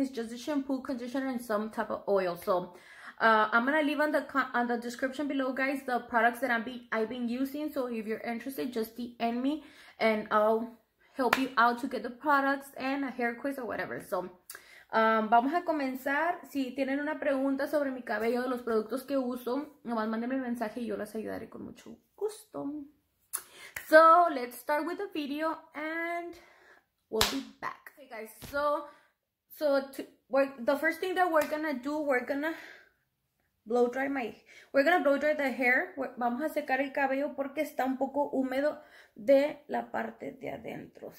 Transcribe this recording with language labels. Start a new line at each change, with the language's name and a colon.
English: It's just a shampoo, conditioner, and some type of oil. So I'm gonna leave on the description below, guys, the products that I've been using. So if you're interested, just DM me and I'll help you out to get the products and a hair quiz or whatever.
Spanish: So vamos a comenzar. Si tienen una pregunta sobre mi cabello, de los productos que uso, nomás mándenme un mensaje y yo las ayudaré con mucho gusto.
English: So, let's start with the video and we'll be back. Okay, guys, the first thing that we're gonna do, we're gonna blow dry the hair.
Spanish: Vamos a secar el cabello porque está un poco húmedo de la parte de adentro.